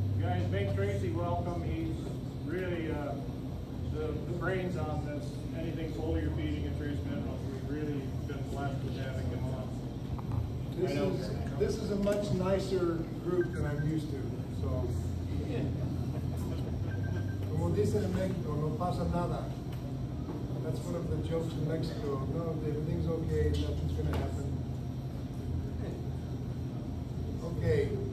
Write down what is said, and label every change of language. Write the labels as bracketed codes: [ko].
[en] Guys, make Tracy welcome. He's really the brains on this. Anything Foliar Feeding and Trace Minerals, we've really been blessed with having him on. This is a much nicer group than I'm used to, so. [es] Como dicen en México, no pasa nada. [en] That's one of the jokes in Mexico. No, everything's okay, nothing's gonna happen. Okay.